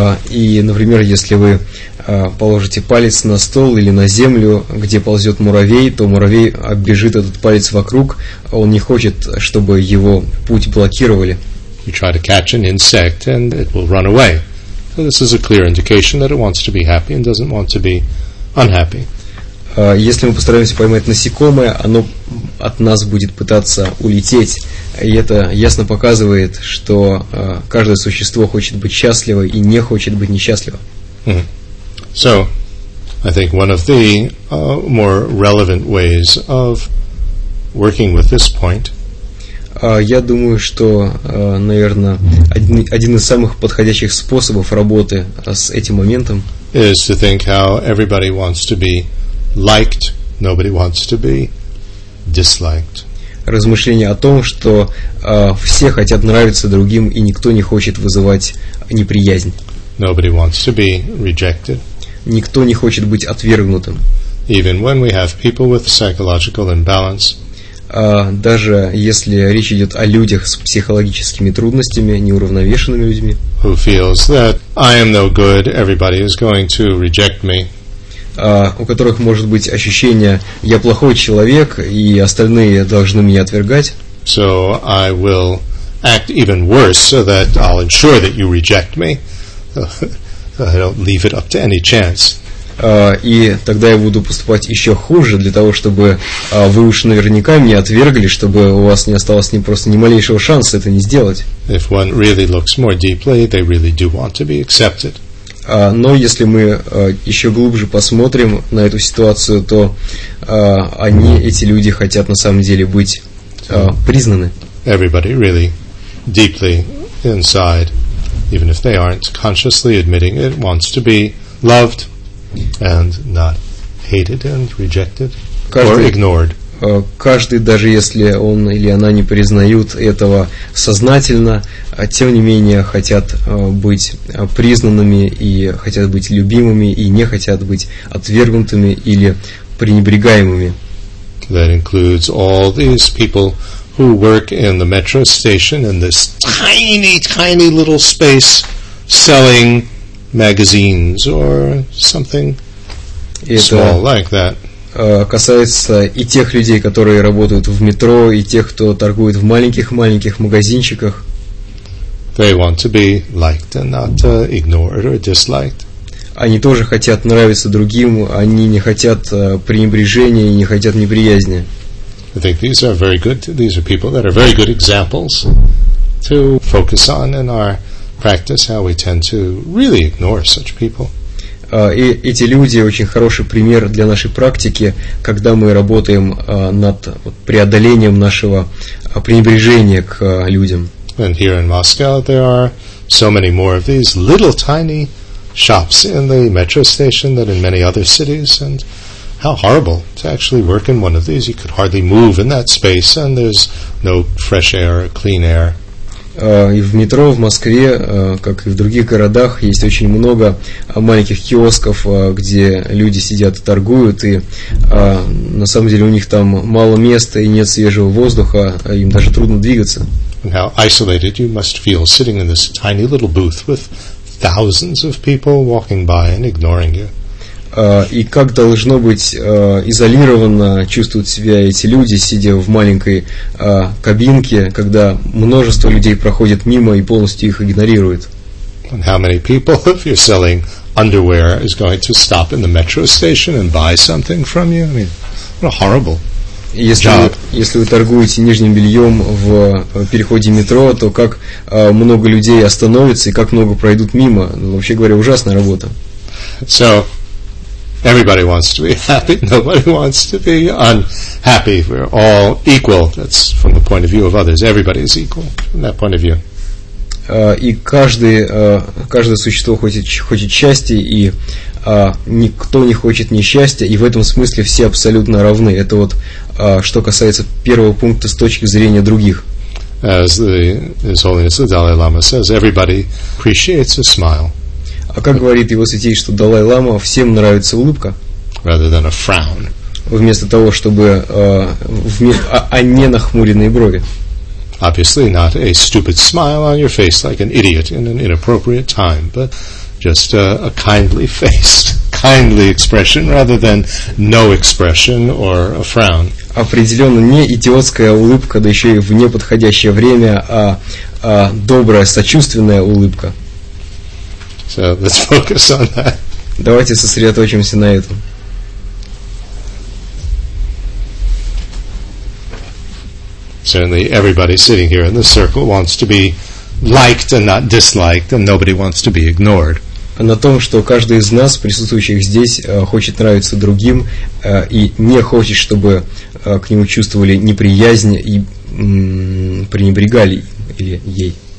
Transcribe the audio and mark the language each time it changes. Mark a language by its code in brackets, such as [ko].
[ru] И, например, если вы положите палец на стол или на землю, где ползет муравей, то муравей оббежит этот палец вокруг. Он не хочет, чтобы его путь блокировали. [en] You try to catch an insect and it will run away. So this is a clear indication that it wants to be happy and doesn't want to be unhappy. [ru] Если мы постараемся поймать насекомое, оно от нас будет пытаться улететь. И это ясно показывает, что каждое существо хочет быть счастливо и не хочет быть несчастливо. Mm-hmm. [en] So, I think one of the more relevant ways of working with this point. [ru] Я думаю, что, наверное, один из самых подходящих способов работы с этим моментом. [en] Is to think how everybody wants to be liked, nobody wants to be disliked. [ru] Размышление о том, что все хотят нравиться другим и никто не хочет вызывать неприязнь. [en] Nobody wants to be rejected. [ru] Никто не хочет быть отвергнутым. [en] Even when we have people with psychological imbalance. [ru] Даже если речь идет о людях с психологическими трудностями, неуравновешенными людьми. [en] Who feels that I am no good, everybody is going to reject me. [ru] У которых может быть ощущение «я плохой человек, и остальные должны меня отвергать». [en] So I will act even worse so that I'll ensure that you reject me. I don't leave it up to any chance. [ru] И тогда я буду поступать еще хуже для того, чтобы вы уж наверняка меня отвергли, чтобы у вас не осталось ни просто ни малейшего шанса это не сделать. [en] If one really looks more deeply, they really do want to be accepted. [ru] Но если мы еще глубже посмотрим на эту ситуацию, то они, эти люди, хотят на самом деле быть признаны. [en] Everybody really deeply inside, even if they aren't consciously admitting it, wants to be loved and not hated and rejected or ignored. [ru] Каждый, даже если он или она не признают этого сознательно, тем не менее хотят быть признанными и хотят быть любимыми и не хотят быть отвергнутыми или пренебрегаемыми. [en] That includes all these people who work in the metro station in this tiny, tiny little space selling magazines or something small like that. [ru] Касается и тех людей, которые работают в метро, и тех, кто торгует в маленьких-маленьких магазинчиках. [en] They want to be liked and not ignored or disliked. [ru] они тоже хотят нравиться другим, они не хотят пренебрежения и не хотят неприязни. [en] I think these are very good. These are people that are very good examples to focus on in our practice. How we tend to really ignore such people. [ru] И эти люди очень хороший пример для нашей практики, когда мы работаем над преодолением нашего пренебрежения к людям. [en] And here in Moscow there are so many more of these little tiny shops in the metro station than in many other cities, and how horrible to actually work in one of these. You could hardly move in that space, and there's no fresh air or clean air. [ru] И в метро, в Москве, как и в других городах, есть очень много маленьких киосков, где люди сидят и торгуют, и на самом деле у них там мало места и нет свежего воздуха, им даже трудно двигаться. [en] And how isolated you must feel sitting in this tiny little booth with thousands of people walking by and ignoring you. [ru] И как должно быть изолированно чувствуют себя эти люди, сидя в маленькой кабинке, когда множество людей проходит мимо и полностью их игнорирует. [en] And how many people, if you're selling underwear, is going to stop in the metro station and buy something from you? I mean, what a horrible job. [ru] Если вы торгуете нижним бельем в переходе метро, то как много людей остановится и как много пройдут мимо? Вообще говоря, ужасная работа. [en] So, everybody wants to be happy. Nobody wants to be unhappy. We're all equal. That's from the point of view of others. Everybody is equal from that point of view. [ru] И каждое существо хочет счастья, и никто не хочет несчастья, и в этом смысле все абсолютно равны. Это вот что касается первого пункта с точки зрения других. [en] As His Holiness the Dalai Lama says, everybody appreciates a smile. [ru] А как говорит его святейшество Далай-Лама, всем нравится улыбка. [en] Rather than a frown. [ru] Вместо того, чтобы... не нахмуренные брови. [en] Obviously not a stupid smile on your face like an idiot in an inappropriate time, but just a kindly face, kindly expression, rather than no expression or a frown. [ru] Определенно не идиотская улыбка, да еще и в неподходящее время, а добрая, сочувственная улыбка. [en] So let's focus on that. [ru] Давайте сосредоточимся на этом. [en] Certainly everybody sitting here in the circle wants to be liked and not disliked, and nobody wants to be ignored. [ru] На том, что каждый из нас, присутствующих здесь, хочет нравиться другим и не хочет, чтобы к нему чувствовали неприязнь и пренебрегали или ей.